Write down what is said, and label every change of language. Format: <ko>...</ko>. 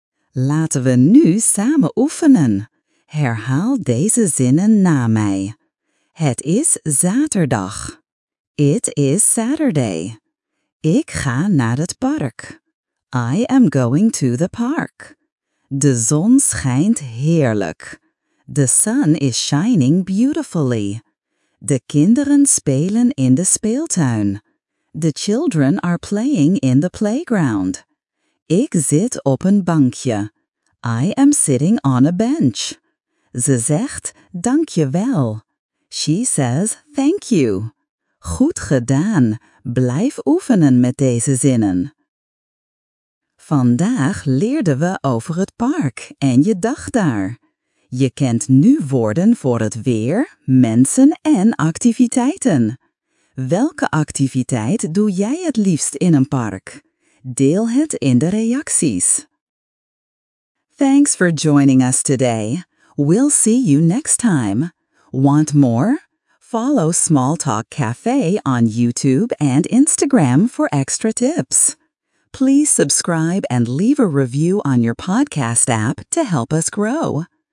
<nl>Laten we nu samen oefenen. Herhaal deze zinnen na mij. Het is zaterdag.</nl> <en>It is Saturday.</en> <nl>Ik ga naar het park.</nl> <en>I am going to the park.</en> <nl>De zon schijnt heerlijk.</nl> <en>The sun is shining beautifully.</en> <nl>De kinderen spelen in de speeltuin.</nl> <en>The children are playing in the playground.</en> <nl>Ik zit op een bankje.</nl> <en>I am sitting on a bench.</en> <nl>Ze zegt, "Dank je wel."</nl> <en>She says, "Thank you."</en> <nl>Goed gedaan. Blijf oefenen met deze zinnen. Vandaag leerden we over het park en je dag daar. Je kent nu woorden voor het weer, mensen en activiteiten. Welke activiteit doe jij het liefst in een park? Deel het in de reacties.</nl> <en>Thanks for joining us today. We'll see you next time. Want more? Follow Small Talk Cafe on YouTube and Instagram for extra tips. Please subscribe and leave a review on your podcast app to help us grow.</en>